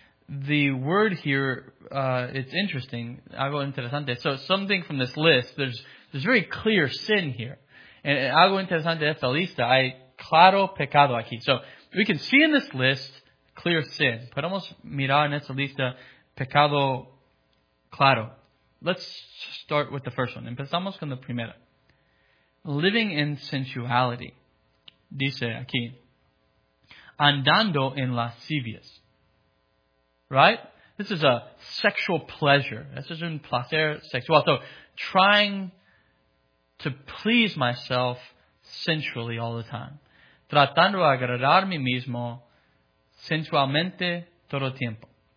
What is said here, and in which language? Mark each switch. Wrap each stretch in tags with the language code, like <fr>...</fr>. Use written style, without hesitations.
<en>The word here, it's interesting.</en> <es>Algo interesante.</es> <en>So something from this list, there's very clear sin here.</en> <es>And algo interesante de esta lista, hay claro pecado aquí.</es> <en>So we can see in this list clear sin.</en> <es>Podemos mirar en esta lista pecado claro.</es> <en>Let's start with the first one.</en> <es>Empezamos con la primera.</es> <en>Living in sensuality.</en> <es>Dice aquí, andando en lascivias. Right?</es> <en>This is a sexual pleasure. This is</en> <es>un placer sexual.</es> <en>So, trying to please myself sensually all the time.</en> <es>Tratando de agradar a mí mismo sensualmente todo el tiempo.</es>